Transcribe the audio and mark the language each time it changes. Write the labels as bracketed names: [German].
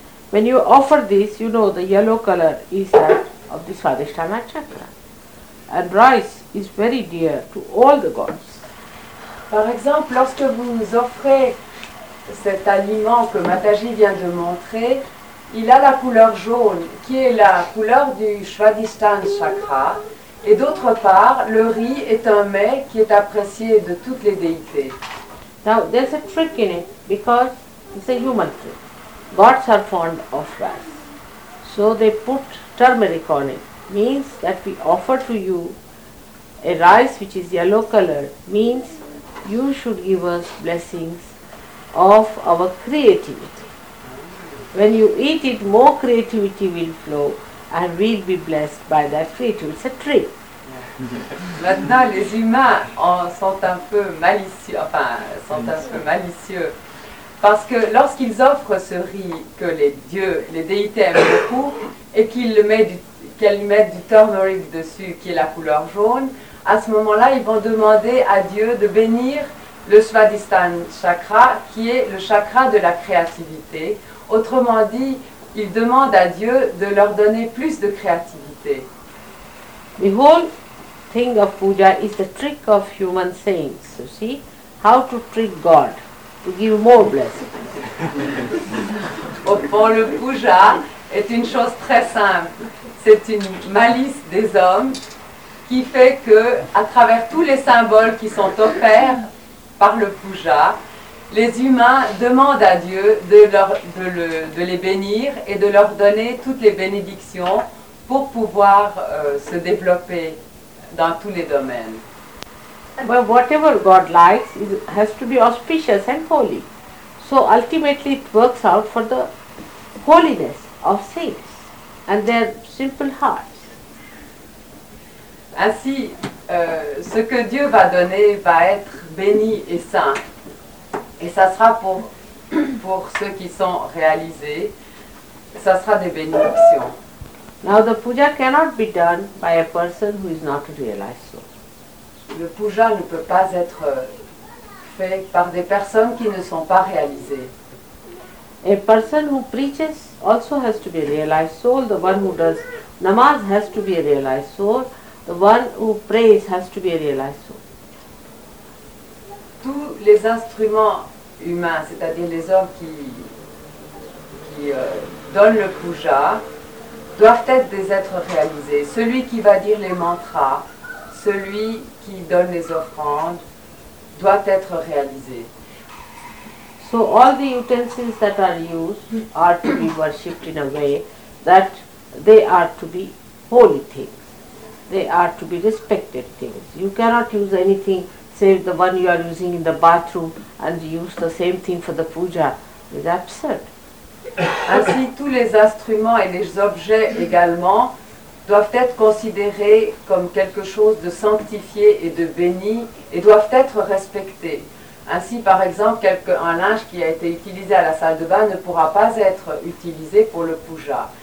[English] When you offer this, you know the yellow color is that of the Swadhisthana chakra. And rice is very dear to all the gods. [French] Par exemple, lorsque vous offrez cet aliment que Mataji vient de montrer, il a la couleur jaune, qui est la couleur du Swadhisthana chakra. Et d'autre part, le riz est un mets qui est apprécié de toutes les déités. [English] Now, there's a trick in it, because it's a human trick. Gods are fond of rice. So they put turmeric on it. Means that we offer to you a rice which is yellow color, means you should give us blessings of our creativity. When you eat it, more creativity will flow. And we'll be blessed by that creature. It's a trick. Yeah. [French] Maintenant, les humains sont un peu malicieux, parce que lorsqu'ils offrent ce riz que les dieux, les déités aiment beaucoup, et qu'elles mettent du turmeric dessus, qui est la couleur jaune, à ce moment-là, ils vont demander à Dieu de bénir le Svadhisthana chakra, qui est le chakra de la créativité. Autrement dit, ils demandent à Dieu de leur donner plus de créativité. [English] The whole thing of puja is the trick of human saints, you see, how to trick God to give more blessings. [French] Au fond, le puja est une chose très simple. C'est une malice des hommes qui fait que, à travers tous les symboles qui sont offerts par le puja, les humains demandent à Dieu de les bénir et de leur donner toutes les bénédictions pour pouvoir se développer dans tous les domaines. [English] Well, whatever God likes has to be auspicious and holy. So ultimately it works out for the holiness of saints and their simple hearts. [French] Ainsi, ce que Dieu va donner va être béni et saint. Et ça sera pour ceux qui sont réalisés, ça sera des bénédictions. [English] Now the puja cannot be done by a person who is not a realized soul. [French] Le puja ne peut pas être fait par des personnes qui ne sont pas réalisées. [English] A person who preaches also has to be a realized soul. The one who does namaz has to be a realized soul. The one who prays has to be a realized soul. [French] Tous les instruments humains, c'est-à-dire les hommes qui donnent le puja, doivent être des êtres réalisés. Celui qui va dire les mantras, celui qui donne les offrandes, doit être réalisé. [English] So all the utensils that are used are to be worshipped in a way that they are to be holy things. They are to be respected things. You cannot use anything, say the one you are using in the bathroom, and use the same thing for the puja. It's absurd. [French] Ainsi, tous les instruments et les objets également doivent être considérés comme quelque chose de sanctifié et de béni et doivent être respectés. Ainsi, par exemple, un linge qui a été utilisé à la salle de bain ne pourra pas être utilisé pour le puja.